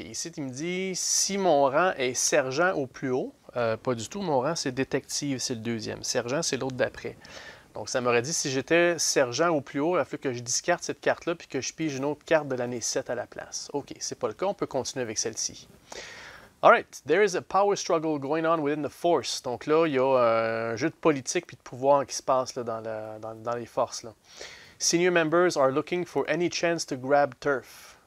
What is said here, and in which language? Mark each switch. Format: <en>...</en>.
<fr>Ici, il me dit, si mon rang est sergent au plus haut, pas du tout, mon rang, c'est détective, c'est le deuxième. Sergent, c'est l'autre d'après. Donc, ça m'aurait dit, si j'étais sergent au plus haut, il faut que je discarte cette carte-là puis que je pige une autre carte de l'année 7 à la place. OK, c'est pas le cas, on peut continuer avec celle-ci.</fr> <en>All right. There is a power struggle going on within the force.</en> <fr>Donc là, il y a un jeu de politique puis de pouvoir qui se passe là, dans les forces. Là.</fr> <en>Senior members are looking for any chance to grab turf.</en>